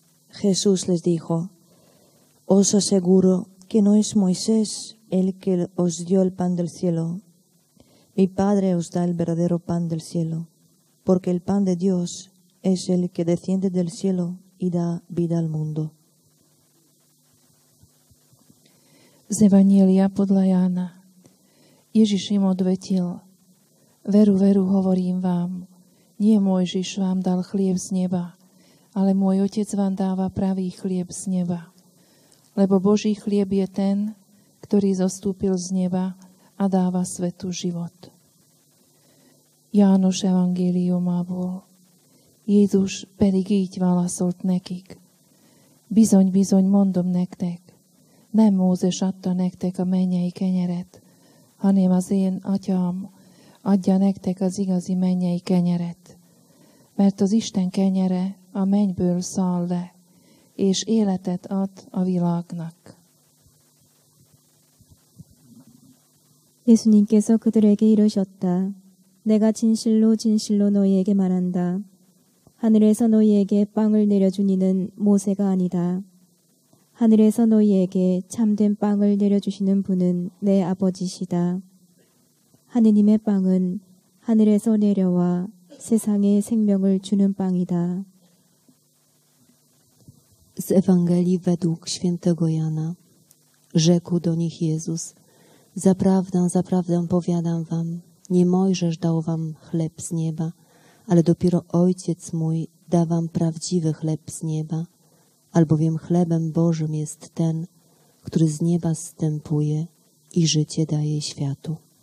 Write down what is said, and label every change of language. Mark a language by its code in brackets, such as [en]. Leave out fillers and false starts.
[es] Jesús les dijo, «Os aseguro que no es Moisés el que os dio el pan del cielo. Mi Padre os da el verdadero pan del cielo, porque el pan de Dios es el que desciende del cielo y da vida al mundo». [sk] Z Evanjelia podľa Jána Ježiš im odvetil, «Veru, veru, hovorím vám, nie Mojžiš vám dal chlieb z neba, ale môj Otec vám dáva pravý chlieb z neba. Lebo Boží chlieb je ten, ktorý zostúpil z neba a dáva svetu život. [hu] János evangélium a bol. Jézus pedig így válaszolt nekik. Bizony, bizony, mondom nektek. Nem Mózes adta nektek a mennyei kenyeret, hanem az én atyám adja nektek az igazi mennyei kenyeret. Mert az Isten kenyere a mennyből száll le, és életet ad a világnak. [ko] Jézus님께서 그들에게 이르셨다. 내가 진실로 진실로 너희에게 말한다. 하늘에서 너희에게 빵을 내려준 이는 모세가 아니다. 하늘에서 너희에게 참된 빵을 내려주시는 분은 내 아버지시다. 하느님의 빵은 하늘에서 내려와 세상에 생명을 주는 빵이다. [pl] Z Ewangelii według świętego Jana. Rzekł do nich Jezus, zaprawdę, zaprawdę powiadam wam, nie Mojżesz dał wam chleb z nieba, ale dopiero Ojciec mój da wam prawdziwy chleb z nieba, albowiem chlebem Bożym jest ten, który z nieba zstępuje i życie daje światu.